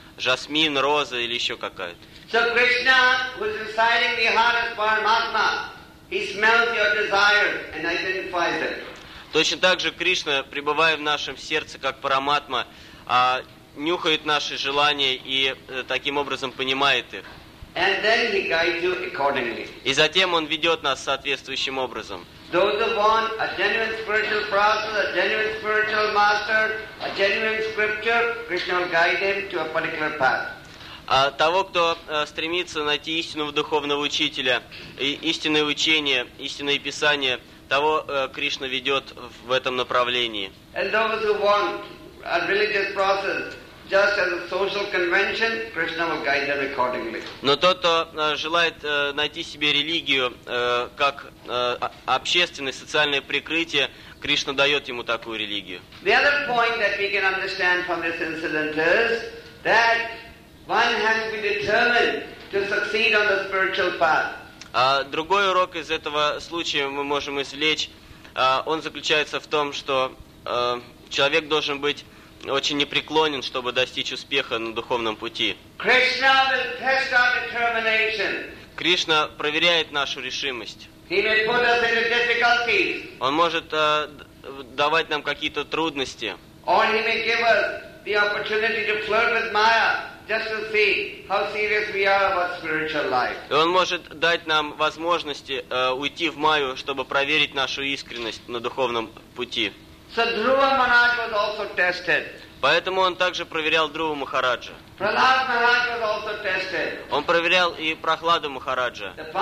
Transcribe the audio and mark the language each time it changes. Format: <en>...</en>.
<ru>Жасмин, роза или еще какая-то.</ru> <en>So Krishna, who is residing in the heart of Paramatma, he smells your desire and identifies it.</en> <ru>Точно так же Кришна, пребывая в нашем сердце как Параматма, нюхает наши желания и таким образом понимает их.</ru> <en>And then he guides you accordingly.</en> <ru>И затем он ведет нас соответствующим образом.</ru> <en>Those who want a genuine spiritual process, a genuine spiritual master, a genuine scripture, Krishna will guide him to a particular path.</en> <ru>А того, кто стремится найти истинного духовного учителя, истинное учение, истинное писание, того Кришна ведет в этом направлении.</ru> <en>And those who want a religious process, just as a social convention, Krishna will guide them accordingly.</en> <ru>Но тот, кто желает найти себе религию как общественное, социальное прикрытие, Кришна дает ему такую религию.</ru> <en>The other point that we can understand from this incident is that one has to be determined to succeed on the spiritual path.</en> <ru>Другой урок из этого случая мы можем извлечь. Он заключается в том, что человек должен быть очень непреклонен, чтобы достичь успеха на духовном пути.</ru> <en>Krishna will test our determination.</en> <ru>Кришна проверяет нашу решимость.</ru> <en>He may put us into difficulties.</en> <ru>Он может давать нам какие-то трудности.</ru> <en>Or he may give us the opportunity to flirt with Maya. Just to see how serious we are about spiritual life.</en> <ru>И он может дать нам возможности уйти в Майю, чтобы проверить нашу искренность на духовном пути.</ru> <en>So Dhruva Maharaj was also tested.</en> <ru>Поэтому он также проверял Друва Махараджа. Он проверял и Прохладу Махараджа.</ru>